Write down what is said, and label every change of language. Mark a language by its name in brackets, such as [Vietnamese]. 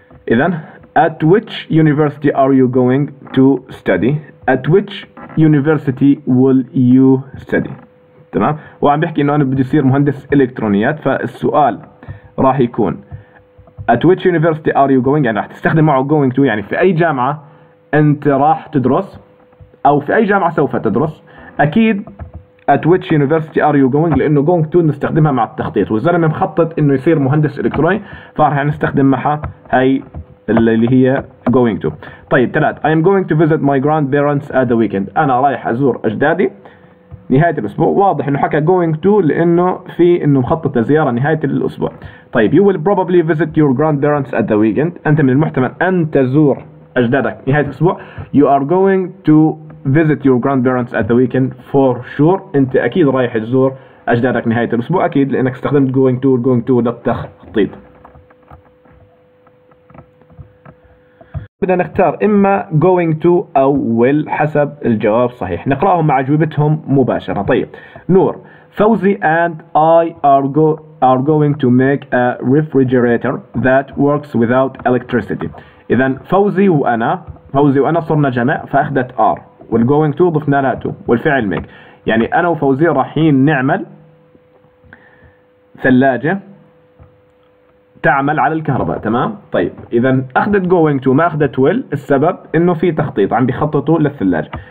[Arabic] اذا [English] at which university are you going to study, at which university will you study [Arabic] تمام. وعم بحكي انه انا بدي يصير مهندس الكترونيات, فالسؤال راح يكون [English] at which university are you going, [Arabic] يعني راح تستخدم معه going to, يعني في اي جامعة انت راح تدرس او في اي جامعة سوف تدرس. اكيد [English] at which university are you going, [Arabic] لانه going to نستخدمها مع التخطيط, والزلمة مخطط انه يصير مهندس الكتروني فراح نستخدم معها هاي اللي هي going to. [English] طيب ثلاث, I am going to visit my grandparents at the weekend, [Arabic] انا رايح ازور اجدادي نهاية الأسبوع. واضح إنه حكى going to لأنه في إنه مخطط لزيارة نهاية الأسبوع. [English] طيب you will probably visit your grandparents at the weekend, [Arabic] أنت من المحتمل أن تزور أجدادك نهاية الأسبوع. [English] You are going to visit your grandparents at the weekend for sure, [Arabic] أنت أكيد رايح تزور أجدادك نهاية الأسبوع أكيد لأنك استخدمت [English] going to. [Arabic] going to للتخطيط بدنا نختار إما going to أو will حسب الجواب صحيح. نقرأهم مع أجوبتهم مباشرة. طيب [English] Noor, Fawzi and I are going to make a refrigerator that works without electricity. [Arabic] إذن فوزي وأنا, فوزي وأنا صرنا جمع فأخذت R وال going to ضفنا لها to والفعل make, يعني أنا وفوزي راحين نعمل ثلاجة تعمل على الكهرباء تمام. طيب اذا اخذت going to ما اخذت will, السبب انه في تخطيط عم بيخططوا للثلاجة.